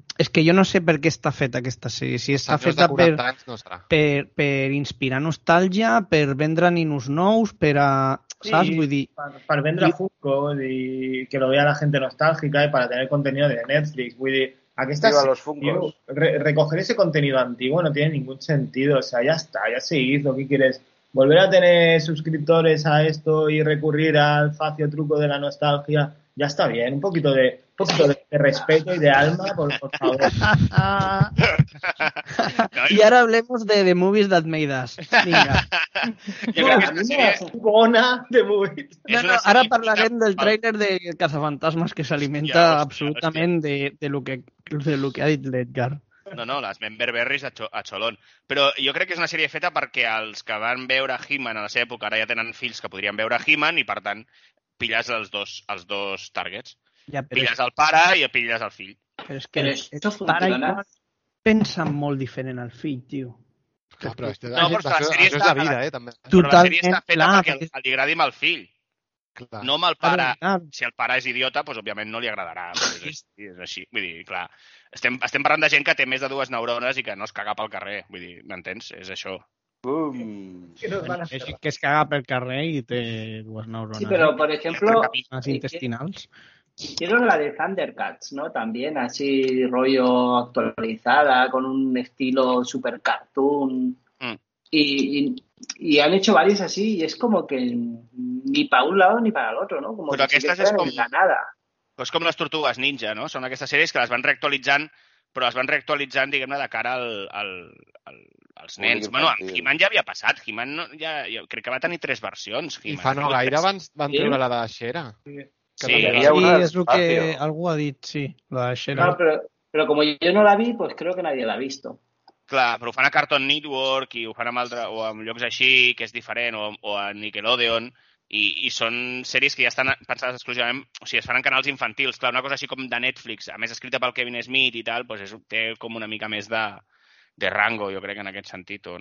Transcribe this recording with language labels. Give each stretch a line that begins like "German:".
Catalan: És que jo no sé per què està feta aquesta sèrie. Si està feta per inspirar nostàlgia, per vendre ninos nous, per a... Sí, saps? Vull dir... per vendre a Funko i
Spanish: que lo vea la gente
Catalan: nostàlgica i per tenir contenido de Netflix. Vull dir, aquesta sèrie...
Spanish: Recoger ese contenido antiguo no tiene ningún sentido. O sea, ya está, ya se hizo. ¿Qué quieres? Volver a tener suscriptores a esto y recurrir al facio truco de la nostalgia. Ya está bien, un poquito de... De respeto y de alma, por favor. Y ahora hablemos de The Movies That Made Us. Venga. Yo creo que es una bona The Movies. No, ahora hablaré del tráiler de Cazafantasmas que se alimenta ya, absolutamente de lo que ha dicho Edgar.
Catalan: No, les Memberberries a xolón. Però jo crec que és una sèrie feta perquè els que van veure He-Man a la seva època ara ja tenen fills que podrien veure He-Man i, per tant, pillas els dos targets. Ja, pilles el pare i pilles el fill. Però és que això funciona. Pensen molt diferent al fill, tio. No, però la sèrie està feta perquè li agradi amb el fill. Clar. No amb el pare. Si el pare és idiota, doncs, òbviament no li agradarà. És així. Vull dir, clar. Estem parlant de gent que té més de dues neurones i que no es caga pel carrer. Vull dir, m'entens? És això. Boom. Que es caga pel carrer i té dues neurones. Sí, però, per exemple... Les intestinals...
Spanish: Hicieron la de Thundercats, ¿no? También así rollo actualizada, con un estilo super cartoon. Y han hecho varias así y es como que ni para un lado ni para el otro, ¿no? Como pero que estas es como, nada. Pues como las Tortugas Ninja, ¿no?
Catalan: Son aquestes series que las van reactualitzant, però las van reactualitzant, diguem-ne, de cara als nens. Sí, bueno, He-Man ja havia passat. He-Man no, ja crec que va tenir tres versions. I fa no gaire van treure la de Xera. Sí. Sí, és el que algú ha dit, sí. La Xena. No, però com jo no la vi,
Spanish: pues creo que nadie la ha visto.
Catalan: Clar, però ho fan a Cartoon Network i ho fan amb altres, o amb llocs així, que és diferent, o a Nickelodeon, i són sèries que ja estan pensades exclusivament, o sigui, es fan en canals infantils. Clar, una cosa així com de Netflix, a més escrita pel Kevin Smith i tal, pues és, té com una mica més de rango, jo crec, en aquest sentit.